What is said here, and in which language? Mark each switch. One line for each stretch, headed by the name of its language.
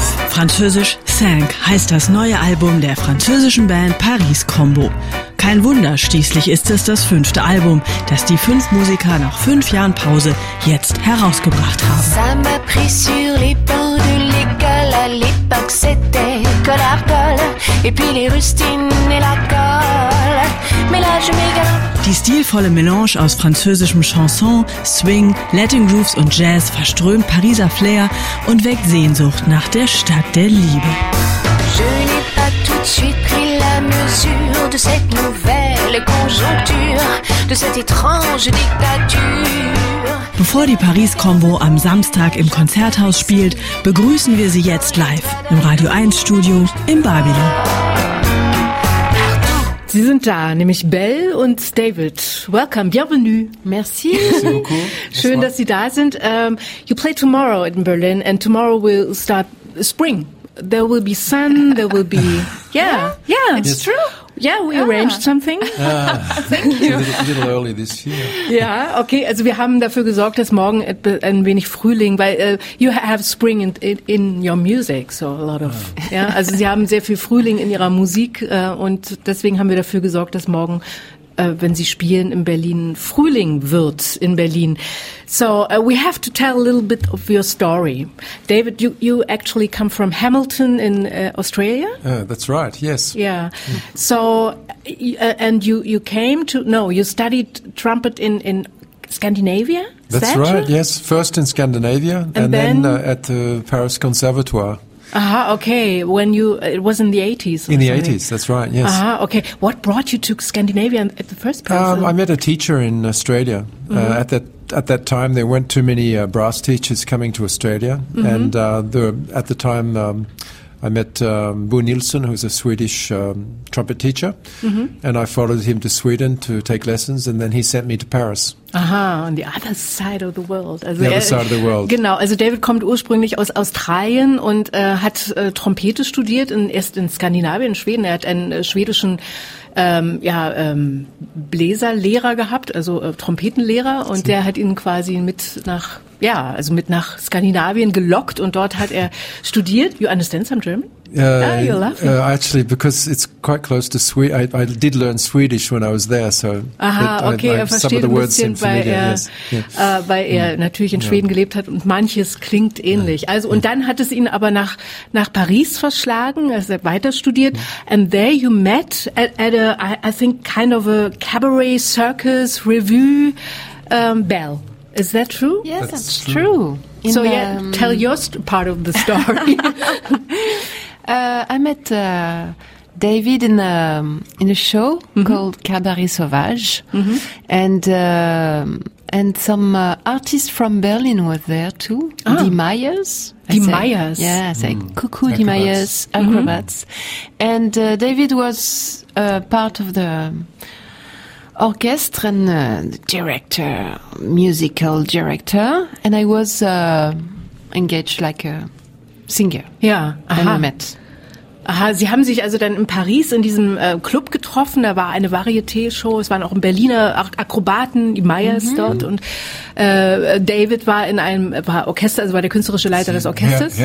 German: Französisch Cinq heißt das neue Album der französischen Band Paris Combo. Kein Wunder, schließlich ist es das fünfte Album, das die fünf Musiker nach 5 Jahren Pause jetzt herausgebracht haben.
French: Ça m'a pris sur les bancs de l'école, à l'époque c'était collard-colle, et puis les rustines et la colle, mais là je m'égare.
German: Die stilvolle Melange aus französischem Chanson, Swing, Latin Grooves und Jazz verströmt Pariser Flair und weckt Sehnsucht nach der Stadt der Liebe.
French: Je n'ai pas tout de suite pris la mesure de cette nouvelle conjoncture, de cette étrange dictature.
German: Bevor die Paris Combo am Samstag im Konzerthaus spielt, begrüßen wir sie jetzt live im Radio 1 Studio in Babylon. Sie sind da, nämlich Belle und David. Welcome, bienvenue. Merci. Merci beaucoup. Schön, dass Sie da sind.
English: You play tomorrow in Berlin and tomorrow will start spring. There will be sun, there will be... Yeah, it's true. Yeah, we arranged something. Thank you. A little early this year.
German: Yeah, okay. Also wir haben dafür gesorgt, dass morgen ein wenig Frühling, weil
English: you have spring in your music, so a lot of...
German: Yeah, also Sie haben sehr viel Frühling in Ihrer Musik und deswegen haben wir dafür gesorgt, dass morgen, wenn Sie spielen, in Berlin Frühling wird in Berlin.
English: So we have to tell a little bit of your story. David, you actually come from Hamilton in Australia? That's right, yes. Yeah. Mm. So, and you came to... No, you studied trumpet in Scandinavia? Yes. First in Scandinavia and then at the Paris Conservatoire. Aha, okay. When you... It was in the 80s. In the 80s, that's right, yes. Aha, okay. What brought you to Scandinavia at the first place? I met a teacher in Australia. Mm-hmm. At that time, there weren't too many brass teachers coming to Australia. Mm-hmm. And I met Bo Nilsson, who's a Swedish trumpet teacher. Mm-hmm. And I followed him to Sweden to take lessons, and then he sent me to Paris. Aha, on the other side of the world. Also, the other side of the world.
German: Genau, also David kommt ursprünglich aus Australien und hat Trompete studiert, erst in Skandinavien, in Schweden. Er hat einen schwedischen Bläserlehrer gehabt, also Trompetenlehrer. Und der hat ihn quasi mit nach Skandinavien gelockt und dort hat er studiert.
English: You understand some German? You're laughing. Actually, because it's quite close to Sweden. I did learn Swedish when I was there, so...
German: Aha, okay,
English: some of the words seem familiar,
German: weil er natürlich in Schweden gelebt hat und manches klingt ähnlich. Also, und dann hat es ihn aber nach Paris verschlagen, also weiter studiert.
English: Yeah. And there you met at a kind of a cabaret circus revue, Belle. Is that true? Yes, that's true. So yeah, tell your part of the story. I met David in a show, mm-hmm, called Cabaret Sauvage, mm-hmm, and some artists from Berlin were there too. Ah. Die Meyers. Die Meyers. Yeah, I say cuckoo, Die Meyers, acrobats. Mm-hmm. And David was part of the orchestra and director, musical director, and I was engaged like a singer. Yeah, and I met...
German: Aha, Sie haben sich also dann in Paris in diesem Club getroffen, da war eine Varieté-Show, es waren auch ein Berliner Akrobaten, die Meyers, mhm, dort, und David war in einem, war Orchester, also war der künstlerische Leiter des Orchesters.